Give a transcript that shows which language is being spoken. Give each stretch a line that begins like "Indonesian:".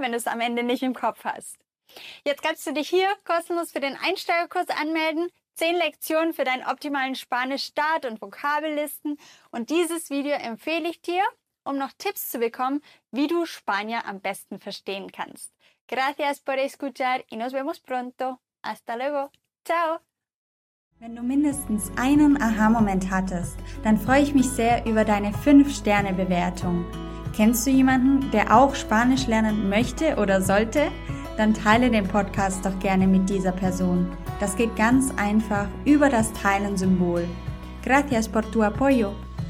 German: Wenn du es am Ende nicht im Kopf hast. Jetzt kannst du dich hier kostenlos für den Einsteigerkurs anmelden, 10 Lektionen für deinen optimalen Spanisch-Start und Vokabellisten und dieses Video empfehle ich dir, um noch Tipps zu bekommen, wie du Spanier am besten verstehen kannst.
Spanish: Gracias por escuchar y nos vemos pronto. Hasta luego. Ciao.
German: Wenn du mindestens einen Aha-Moment hattest, dann freue ich mich sehr über deine 5-Sterne-Bewertung. Kennst du jemanden, der auch Spanisch lernen möchte oder sollte? Dann teile den Podcast doch gerne mit dieser Person. Das geht ganz einfach über das Teilen-Symbol.
Spanish: Gracias por tu apoyo.